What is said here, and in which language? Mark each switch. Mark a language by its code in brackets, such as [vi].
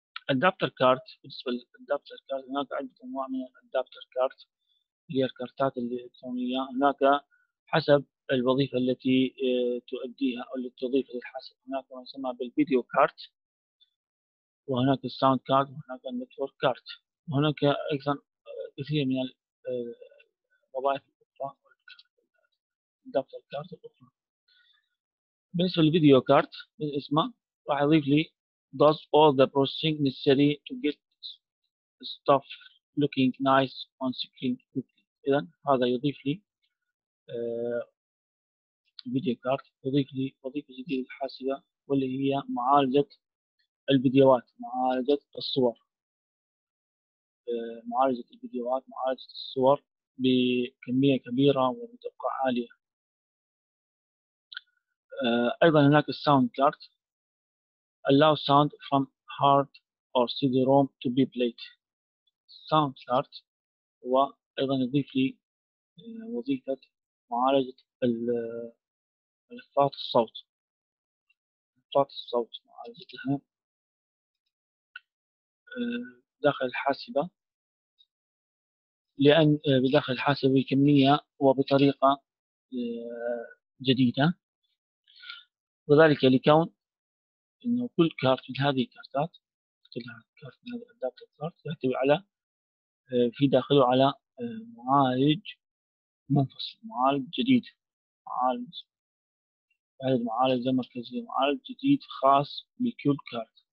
[ar] الادابتر كارت، بالنسبة للادابتر كارت هناك عدة أنواع من الادابتر كارت، هي الكارتات الإلكترونية هناك حسب الوظيفة التي تؤديها أو التي تضيف للحاسب. هناك ما يسمى بالفيديو كارت، وهناك الساوند كارت، وهناك النتورك كارت، وهناك أيضا كثير من الوظائف الأخرى الادابتر كارت الأخرى. بالنسبة للفيديو كارت من اسمه راح يضيف لي [en] does all the processing necessary to get stuff looking nice on screen quickly. [ar] إذا هذا يضيف لي فيديو كارت، يضيف لي وظيفة جديدة للحاسبة واللي هي معالجة الفيديوهات، معالجة الصور، معالجة الفيديوهات، معالجة الصور بكمية كبيرة وبدقة عالية. أيضا هناك الساوند كارت [en] allow sound from hard or CD-ROM to be played. [ar] Sound card هو أيضا يضيف لي وظيفة معالجة ملفات الصوت، ملفات الصوت معالجتها داخل الحاسبة، لأن بداخل الحاسبة بكمية وبطريقة جديدة، وذلك لكون انه كل كارت من هذه الكارتات، كل كارت من هذه الادابتر كارت يحتوي على في داخله على معالج منفصل، معالج جديد، معالج مركزي، معالج جديد خاص بكل كارت.